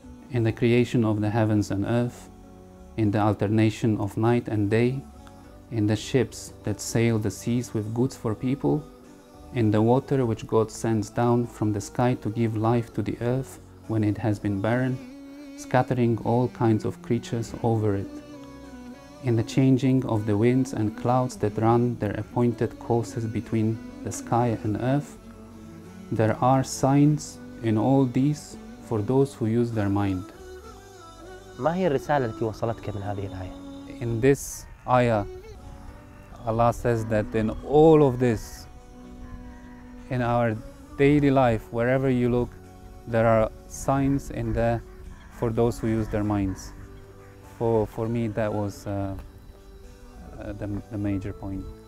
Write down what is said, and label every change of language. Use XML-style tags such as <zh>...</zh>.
<en>In the creation of the heavens and earth, in the alternation of night and day, in the ships that sail the seas with goods for people, in the water which God sends down from the sky to give life to the earth when it has been barren, scattering all kinds of creatures over it. In the changing of the winds and clouds that run their appointed courses between the sky and earth, there are signs in all these for those who use their mind.</en> <ar>ما هي الرسالة التي وصلتك من هذه الآية؟</ar> <en>In this ayah, Allah says that in all of this, in our daily life, wherever you look, there are signs in there for those who use their minds. For me, that was the major point.</en>